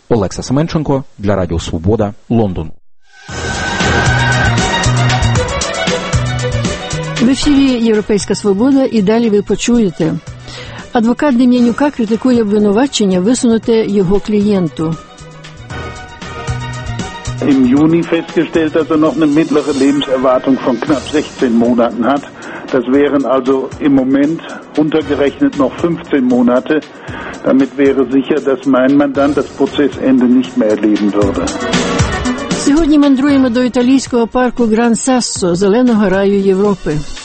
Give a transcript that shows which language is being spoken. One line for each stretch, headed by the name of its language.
Ukrainian: Олекса Семенченко для Радіо Свобода, Лондон. В ефірі «Європейська свобода» і далі ви почуєте. Адвокат Дем'янюка критикує обвинувачення, висунуте його клієнту.
German: Im Juni festgestellt, dass noch eine mittlere Lebenserwartung von knapp 16 Monaten hat. Das wären also im Moment untergerechnet noch 15 Monate. Damit wäre sicher, dass mein Mandant das Prozessende nicht mehr erleben würde.
Ukrainian: Сьогодні мандруємо до італійського парку Gran Sasso, зеленого раю Європи.